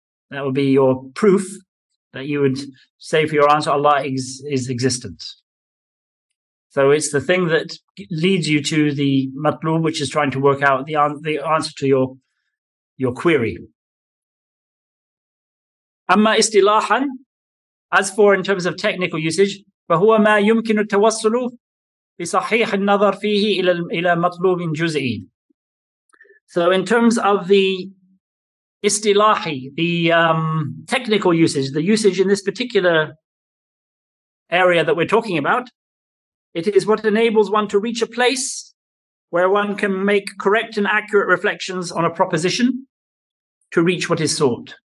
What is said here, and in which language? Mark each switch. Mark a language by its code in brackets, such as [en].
[en] That would be your proof that you would say for your answer, Allah is existent. So it's the thing that leads you to the matlub, which is trying to work out the answer to your query. [ar] Amma istilahan, [en] as for in terms of technical usage, [ar] فَهُوَ مَا يُمْكِنُ التَّوَصُّلُ بِصَحِيحِ النَّظَرِ فِيهِ إِلَى مَطْلُوبٍ جُزْئِي. [en] So in terms of the istilahi, the technical usage, the usage in this particular area that we're talking about, it is what enables one to reach a place where one can make correct and accurate reflections on a proposition to reach what is sought.